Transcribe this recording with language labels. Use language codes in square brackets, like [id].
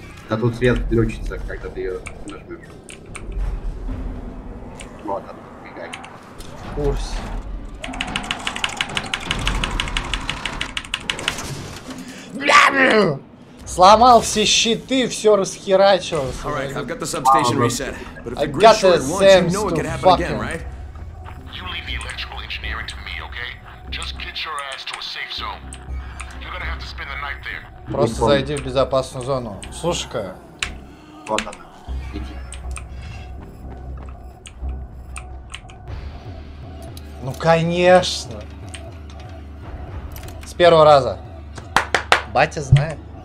[ru] Да тут свет включится, когда ты ее нажмешь. Вот она, бегай. Курс. Сломал все щиты, все расхерачивал. [en] All right, I've got the substation reset. But if you grip short once, you know it could happen again, right? You leave the electrical engineering to me, okay? Just get your ass to a safe zone. You're gonna have to spend the night there. [ru] Просто зайди в безопасную зону. Слушай-ка. Вот она. Иди. Ну, конечно. С первого раза. Батя знает.